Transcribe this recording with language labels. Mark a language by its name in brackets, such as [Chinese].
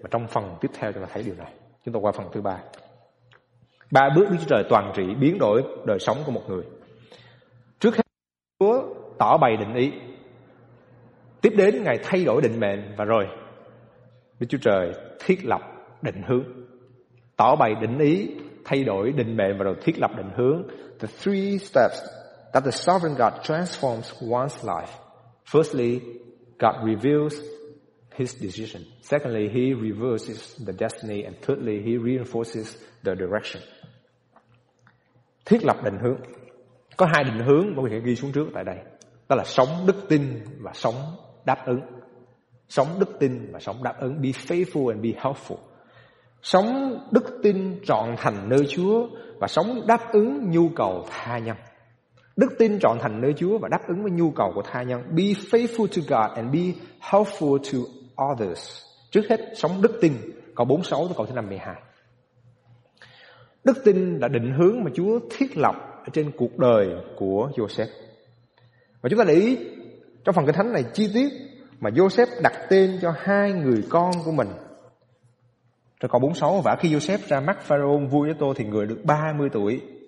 [Vietnamese] Và trong phần tiếp theo chúng ta thấy điều này. Chúng ta qua phần thứ ba. Ba bước Đức Chúa Trời toàn trị biến đổi đời sống của một người. Trước hết Chúa tỏ bày định ý, tiếp đến Ngài thay đổi định mệnh, và rồi Đức Chúa Trời thiết lập định hướng. Tỏ bày định ý, thay đổi định mệnh, và rồi thiết lập định hướng. [English] The three steps that the sovereign God transforms one's life. Firstly, God reveals his decision. Secondly, he reverses the destiny. And thirdly, he reinforces the direction. [Vietnamese] Thiết lập định hướng. Có hai định hướng mà mình sẽ ghi xuống trước tại đây. Đó là sống đức tin và sống đáp ứng. Sống đức tin và sống đáp ứng. [English] Be faithful and be helpful. [Vietnamese] Sống đức tin trọn thành nơi Chúa và sống đáp ứng nhu cầu tha nhân. Đức tin trọn thành nơi Chúa và đáp ứng với nhu cầu của tha nhân. [English] Be faithful to God and be helpful to others. [Vietnamese] Trước hết sống đức tin. Câu 46 tới câu thứ 52. Đức tin là định hướng mà Chúa thiết lập ở trên cuộc đời của Joseph. Và chúng ta để ý trong phần kinh thánh này chi tiết mà Joseph đặt tên cho hai người con của mình. Rồi câu 46: và khi Joseph ra mắt Pharaoh vui với tôi thì người được 30 tuổi.